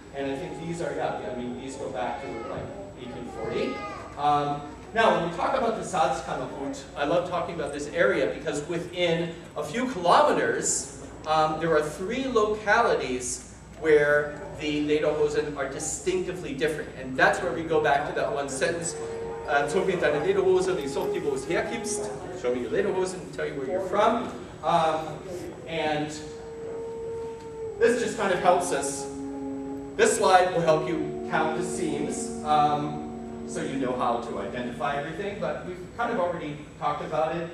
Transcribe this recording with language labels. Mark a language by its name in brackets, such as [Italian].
[English] And I think these are, these go back to 1840. Now, when we talk about the Salzkammergut, I love talking about this area because within a few kilometers, there are three localities where the Lederhosen are distinctively different. And that's where we go back to that one sentence. [German] Zog mir deine Lederhosen, ich sag dir, wo es herkommst. [English] Show me your Lederhosen, tell you where you're from. And this just kind of helps us. This slide will help you count the seams. So you know how to identify everything, but we've kind of already talked about it.